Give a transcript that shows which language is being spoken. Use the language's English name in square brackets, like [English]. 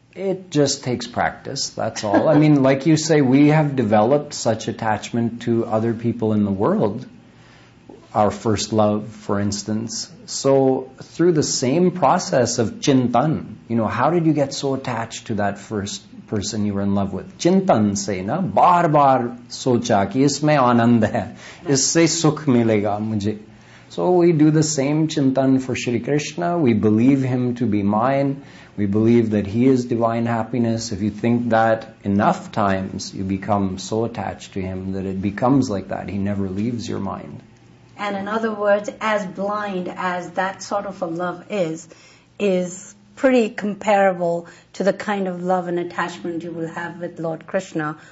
[English] It just takes practice, that's all. I mean, like you say, we have developed such attachment to other people in the world, our first love, for instance. So through the same process of chintan, you know, how did you get so attached to that first person you were in love with. [Hindi] चिंतन से ना, बार बार सोचा कि इसमे आनंद है, इससे सुख मिलेगा मुझे. [English] So we do the same chintan for Shri Krishna. We believe him to be mine. We believe that he is divine happiness. If you think that enough times, you become so attached to him that it becomes like that. He never leaves your mind. And in other words, as blind as that sort of a love is pretty comparable to the kind of love and attachment you will have with Lord Krishna.